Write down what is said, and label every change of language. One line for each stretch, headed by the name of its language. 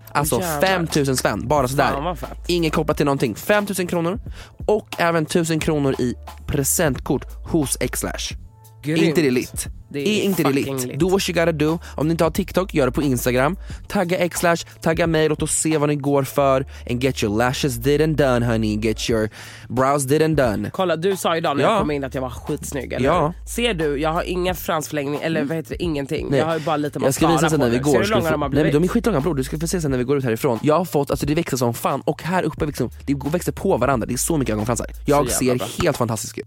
Swedish: Alltså 5000 spänn, bara sådär. Inget kopplat till någonting. 5000 kronor och även 1000 kronor i presentkort hos X-Lash. Grymt. Inte det litet. Det är inte det litet.
English: Do what you gotta do.
Swedish: Om ni inte har TikTok, gör det på Instagram. Tagga X-Lash, tagga mig, låt oss se vad ni går för.
English: And get your lashes did and done, honey. Get your brows did and done.
Swedish: Kolla, du sa idag när jag kom in att jag var skitsnygg, eller? Ja. Ser du, jag har inga fransförlängning. Eller vad heter det, ingenting. Nej. Jag har ju bara lite mascara på. Ser du hur långa de har blivit? Nej, de är skitlånga, bror. Du ska få se sen när vi går ut härifrån. Jag har fått, alltså det växer som fan. Och här uppe liksom, det växer på varandra. Det är så mycket ögonfransar. Jag ser helt fantastiskt ut.